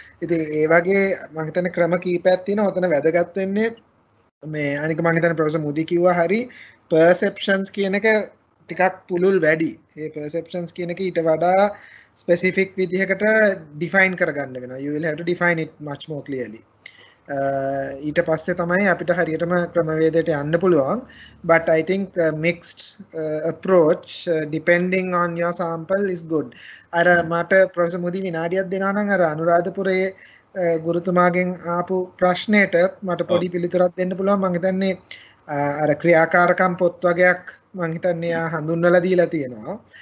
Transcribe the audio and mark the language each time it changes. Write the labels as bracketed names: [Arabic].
[Sinhala] ඉතින් ඒ වගේ මම හිතන්නේ ක්‍රම කීපයක් තියෙනවා. ඔතන වැදගත් වෙන්නේ මේ අනික මම හිතන්නේ ප්‍රොෆෙසර් මුදි කිව්වා හරි පර්සෙප්ෂන්ස් කියන එක ටිකක් පුළුල් වැඩි. මේ පර්සෙප්ෂන්ස් කියන එක ඊට වඩා ස්පෙસિෆික් විදිහකට ඩිෆයින් කරගන්න වෙනවා. [English] You will have to define it much more clearly. [Sinhala] ඊට පස්සේ තමයි අපිට හරියටම ක්‍රමවේදයට යන්න පුළුවන් [English] but I think mixed approach depending on your sample is good [Sinhala] අර මට ප්‍රොෆෙසර් මුදි විනාඩියක් දෙනවා නම් අර අනුරාධපුරයේ ගුරුතුමාගෙන් ආපු ප්‍රශ්නෙට මට පොඩි පිළිතුරක් දෙන්න පුළුවන් මං හිතන්නේ අර ක්‍රියාකාරකම් පොත් වගේක් මං හිතන්නේ ආ හඳුන්වලා දීලා තියෙනවා